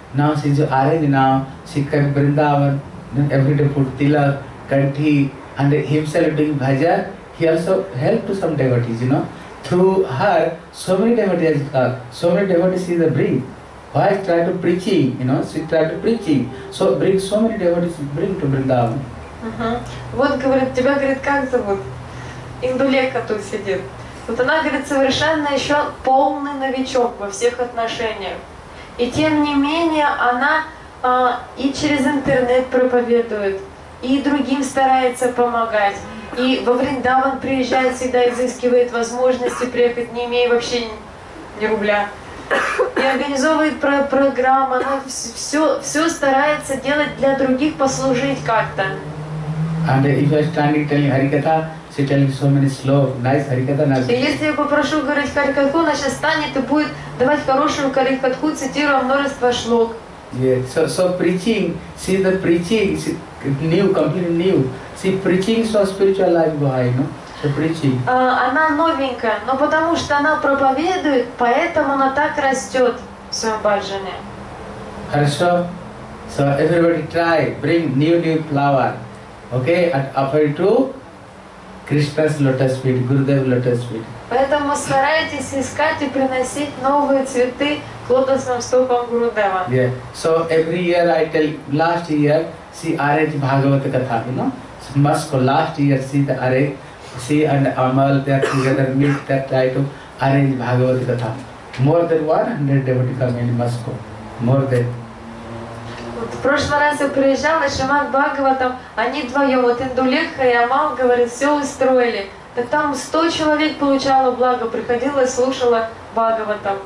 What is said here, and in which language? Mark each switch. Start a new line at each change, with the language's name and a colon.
English: Now she is arranged now, she can Vrindavan, every day put tilak, kanthi, and himself doing bhajan. He also helped to some devotees, you know. Through her, so many devotees she is the bring. Why try to preaching, you know, she try to preaching. So bring so many devotees, bring to Vrindavan. Uh-huh.
Russian: Вот, говорит, тебя, говорит, как зовут? Индулека тут сидит. Вот она, говорит, совершенно еще полный новичок во всех отношениях. И тем не менее, она и через интернет проповедует, и другим старается помогать. И во Вриндаван приезжает всегда, изыскивает возможности приехать, не имея вообще ни рубля. И организовывает программу, она все старается делать для других, послужить как-то.
English: And if I stand telling Harikatha, she telling so many slow, nice Harikatha.
Russian: И если я попрошу говорить Харикатху, она сейчас станет и будет давать хорошую Харикатху, цитируя множество шлок.
English: Yeah, so preaching, see the preaching, new, completely new. See, preaching so spiritual life go high, no?
Russian: Она новенькая, но потому что она проповедует, поэтому она так растет в своем баджане. Хорошо.
English: So everybody try, bring new flower. Okay, and offer it to Кришна's lotus feet, Гурудева lotus feet.
Russian: Поэтому старайтесь искать и приносить новые цветы к лотосным стопам Гурудева.
English: Yeah. So every year I tell, last year, see R.H. Bhagavat Katha, you know. So must go last year, see the R.H. See and Amal, they are together, meet that try to arrange Bhagavat Katha. More than 100 devotees come in Moscow. More than.
Russian: Вот в прошлый раз я приезжала, Шримад Бхагаватам, они вдвоем, вот Индулекха и Амал, говорят, все устроили. Так там 100 человек получало благо, приходила и слушала Бхагаватам.